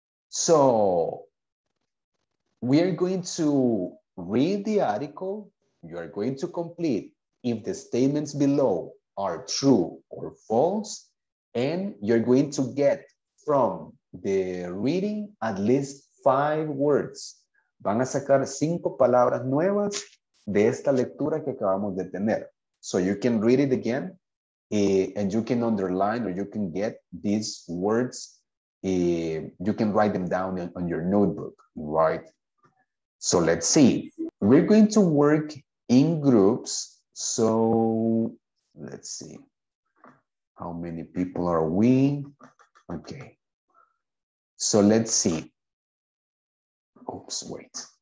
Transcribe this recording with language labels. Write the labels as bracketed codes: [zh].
[en] So we are going to read the article. You are going to complete if the statements below are true or false, and you're going to get from the reading at least 5 words. [es] Van a sacar 5 palabras nuevas de esta lectura que acabamos de tener. [en] So you can read it again, and you can underline, or you can get these words. You can write them down on your notebook, right? So let's see. We're going to work in groups. So let's see. How many people are we? Okay. So let's see. Oops, wait.